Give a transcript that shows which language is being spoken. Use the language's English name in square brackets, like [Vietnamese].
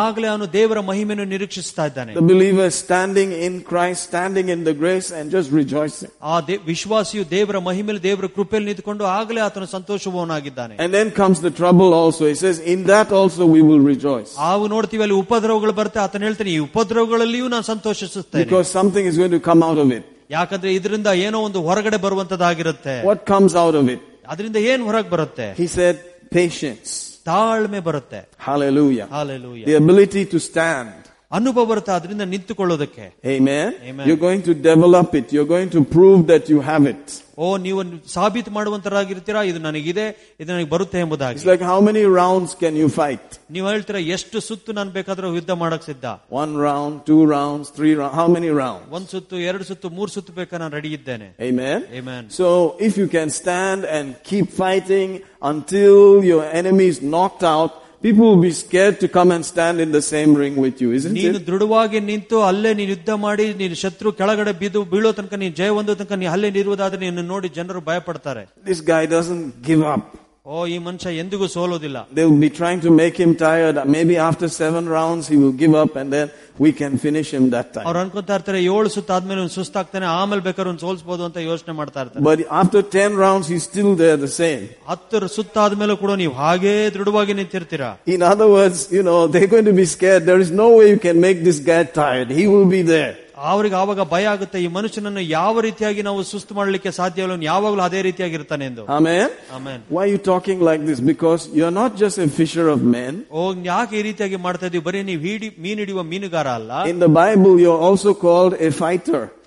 [Kannada] ಆಗಲೇ ಅವನು ದೇವರ ಮಹಿಮೆಯನ್ನು ನಿರೀಕ್ಷಿಸ್ತಾ ಇದ್ದಾನೆ. [English] The believer standing in Christ, standing in the grace and just rejoicing. [Kannada] ಆ ವಿಶ್ವಾಸಿಯು ದೇವರ ಮಹಿಮೆಯಲ್ಲಿ ದೇವರ ಕೃಪೆಯಲ್ಲಿ ನಿಂತುಕೊಂಡು ಆಗಲೇ ಆತನು ಸಂತೋಷವನಾಗಿದ್ದಾನೆ. [English] And then comes the trouble also. He says, in that also we will rejoice. [Kannada] ಅವು ನೋಡ್ತೀವಿ ಅಲ್ಲಿ ಉಪದ್ರವಗಳು ಬರುತ್ತೆ, ಆತನ ಹೇಳ್ತೇನೆ ಈ ಉಪದ್ರವಗಳಲ್ಲಿಯೂ ನಾನು ಸಂತೋಷಿಸುತ್ತೇನೆ. [English] Because something is going to come out of it. [Kannada] ಯಾಕಂದ್ರೆ ಇದರಿಂದ ಏನೋ ಒಂದು ಹೊರಗಡೆ ಬರುವಂತದಾಗಿರುತ್ತೆ. [English] What comes out of it? [Kannada] ಅದರಿಂದ ಏನು ಹೊರಗೆ ಬರುತ್ತೆ? [English] He said patience. [Kannada] ತಾಳ್ಮೆ ಬರುತ್ತೆ. [English] Hallelujah. Hallelujah. The ability to stand. [Kannada] ಅನುಭವ ಬರುತ್ತೆ ಅದರಿಂದ ನಿಂತುಕೊಳ್ಳೋದಕ್ಕೆ. [English] Amen. You're going to develop it. You're going to prove that you have it. [Kannada] ಓ ನೀವು ಸಾಬೀತು ಮಾಡುವಂತರಾಗಿರ್ತೀರಾ, ಇದು ನನಗಿದೆ, ಇದು ನನಗೆ ಬರುತ್ತೆ ಎಂಬುದಾಗಿ. [English] It's like how many rounds can you fight? [Kannada] ನೀವು ಹೇಳ್ತೀರಾ ಎಷ್ಟು ಸುತ್ತು ನಾನು ಬೇಕಾದರೂ ಯುದ್ಧ ಮಾಡಕ್ ಸಿದ್ಧ. [English] 1 round, 2 rounds, 3 rounds, how many rounds? [Kannada] ಒಂದ್ ಸುತ್ತು, ಎರಡು ಸುತ್ತು, ಮೂರು ಸುತ್ತು ಬೇಕಾ, ನಾನು ರೆಡಿ ಇದ್ದೇನೆ. [English] Amen. Amen. So if you can stand and keep fighting until your enemy is knocked out, People will be scared to come and stand in the same ring with you, isn't it? [Kannada] ನೀನು ದೃಢವಾಗಿ ನಿಂತು ಅಲ್ಲೇ ನೀನು ಯುದ್ಧ ಮಾಡಿ ನೀನು ಶತ್ರು ಕೆಳಗಡೆ ಬಿದ್ದು ಬೀಳೋ ತನಕ ನೀನು ಜಯ ಹೊಂದೋ ತನಕ ನೀನು ಅಲ್ಲೇ ನಿರುವುದಾದ್ರೆ ನಿನ್ನ ನೋಡಿ ಜನರು ಭಯಪಡ್ತಾರೆ. [English] This guy doesn't give up. [Kannada] ಓ ಈ ಮನುಷ್ಯ ಎಂದಿಗೂ ಸೋಲೋದಿಲ್ಲ. [English] They will be trying to make him tired. Maybe after 7 rounds he will give up and then we can finish him that time. [Kannada] ಅವರು ಅನ್ಕೊತಾ ಇರ್ತಾರೆ ಏಳು ಸುತ್ತ ಆದ್ಮೇಲೆ ಸುಸ್ತಾಗ್ತಾನೆ ಆಮೇಲೆ ಬೇಕಾದ್ರೆ ಸೋಲಿಸಬಹುದು ಅಂತ ಯೋಚನೆ ಮಾಡ್ತಾ ಇರ್ತಾರೆ. [English] But after 10 rounds he's still there the same. [Kannada] ಹತ್ತರ ಸುತ್ತ ಆದ್ಮೇಲೆ ಕೂಡ ನೀವು ಹಾಗೆ ದೃಢವಾಗಿ ನಿಂತಿರ್ತೀರ. [English] In other words, you know, they're going to be scared. There is no way you can make this guy tired. He will be there. [Kannada] ಅವರಿಗೆ ಆವಾಗ ಭಯ ಆಗುತ್ತೆ ಈ ಮನುಷ್ಯನನ್ನು ಯಾವ ರೀತಿಯಾಗಿ ನಾವು ಸುಸ್ತು ಮಾಡಲಿಕ್ಕೆ ಸಾಧ್ಯ ಇಲ್ಲ ಯಾವಾಗಲೂ ಅದೇ ರೀತಿಯಾಗಿ ಇರ್ತಾನೆ ಎಂದು. [English] Amen amen. Why you talking like this? Because you are not just a fisher of men. [Kannada] ಓ ಯಾಕೆ ಈ ರೀತಿಯಾಗಿ ಮಾಡ್ತಾ ಇದೀವಿ? ಬರೀ ನೀವು ಹಿಡಿ ಮೀನು ಹಿಡಿಯುವ ಮೀನುಗಾರ ಅಲ್ಲ. [English] In the Bible you are also called a fighter.